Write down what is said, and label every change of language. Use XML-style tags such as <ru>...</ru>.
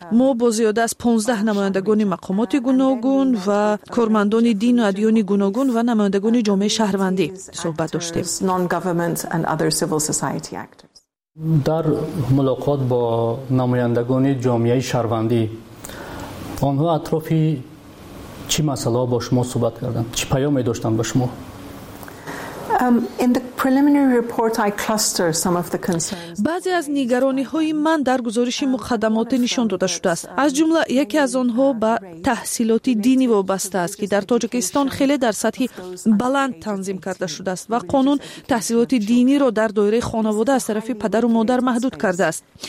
<fa>ما با زیاده از 15 نمایندگان مقامات گوناگون و کارمندان دین و ادیان گوناگون و نمایندگان جامعه شهروندی صحبت داشتیم. در ملاقات با نمایندگان جامعه شهروندی، آنها اطراف چی مسئله با شما صحبت کردند؟ چی پیامی داشتند با شما؟</fa> <en>In the preliminary report I cluster some of the concerns.</en> <tg>Баъзе аз нигарониҳои ман дар гузориши муқаддамоте нишон дода шудааст. Аз ҷумла яке аз онҳо ба таҳсилоти динӣ вобаста аст, ки дар Тоҷикистон хеле дар сатҳи баланд танзим карда шудааст ва қонун таҳсилоти диниро дар доираи хонавода аз тарафи падару модар маҳдуд кардааст.</tg>